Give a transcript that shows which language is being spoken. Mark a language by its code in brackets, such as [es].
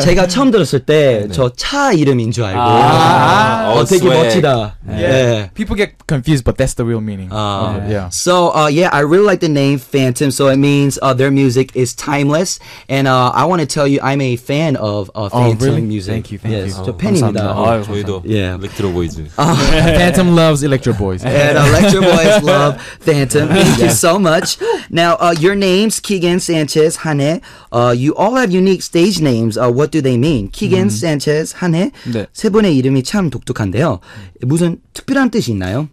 [ko] 제가 처음 들었을 때 저 차 이름인 줄 알고. 되게 멋지다. [en] Yeah. People get confused, but that's the real meaning. So I really like the name Phantom. So it means their music is timeless. And I want to tell you, I'm a fan of Phantom music. Thank you. Thank you. [ko] 저 팬입니다. 저희도. Yeah. Electro Boys. [en] Phantom loves Electro Boys. And Electro. Boys love Phantom. Thank you so much. Now, your names, Keegan, Sanchez, Hanhae, you all have unique stage names. What do they mean? Keegan, Sanchez, Hanhae. [ko] 네. 세 분의 이름이 참 독특한데요. 무슨 특별한 뜻이 있나요?